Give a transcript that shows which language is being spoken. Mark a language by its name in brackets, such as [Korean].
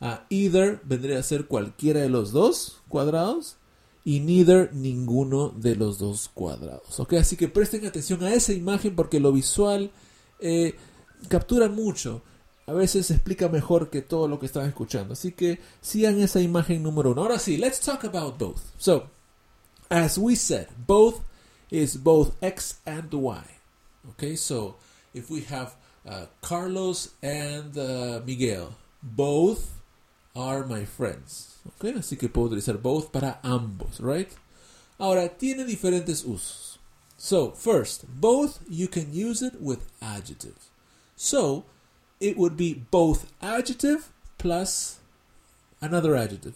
[Spanish] Either vendría a ser cualquiera de los dos cuadrados. Y neither, ninguno de los dos cuadrados. Okay, así que presten atención a esa imagen porque lo visual captura mucho. A veces explica mejor que todo lo que están escuchando. Así que sigan esa imagen número uno. Ahora sí, [English] let's talk about both. So, as we said, both is both X and Y. Okay, so if we have Carlos and Miguel, both are my friends. [Spanish] Okay, así que puedo utilizar both para ambos, right? Ahora, tiene diferentes usos. [English] So, first, both, you can use it with adjectives. So, it would be both adjective plus another adjective.